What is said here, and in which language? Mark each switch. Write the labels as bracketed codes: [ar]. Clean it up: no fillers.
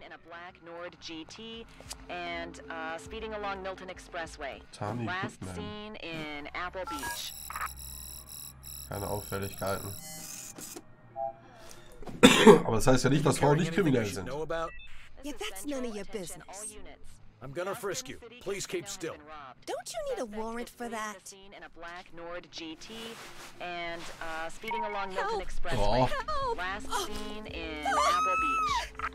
[en] In a black Nord GT and speeding along Milton Expressway. Tommy last Goodman. Seen in Apple Beach. [de] Keine Auffälligkeiten. Aber das heißt ja nicht, dass Frauen nicht kriminell sind. [en] Yeah, that's none of your business. I'm gonna frisk you. Please keep still. Don't you need a warrant for that? In a black Nord GT and speeding along Milton Expressway. Help! Last seen in Apple Beach.